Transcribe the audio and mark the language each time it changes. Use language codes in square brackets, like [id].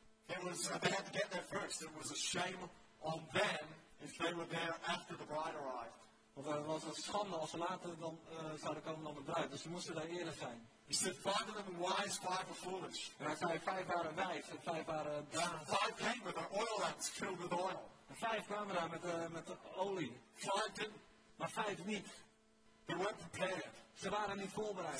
[en] It was, they had to get there first. It was a shame on them if they were there after the bride arrived. [nl] Of het was een schande als ze later dan zouden komen dan de bruid. Dus ze moesten daar eerder zijn. [en] He said, five of them wise, five are foolish. [nl] En hij zei, vijf waren wijs en vijf waren [en] dumb. Five came with their oil lamps filled with oil. [nl] En vijf kwamen daar met de olie. [en] Five didn't. [nl] Maar vijf niet. [en] They weren't prepared. [nl] Ze waren niet voorbereid.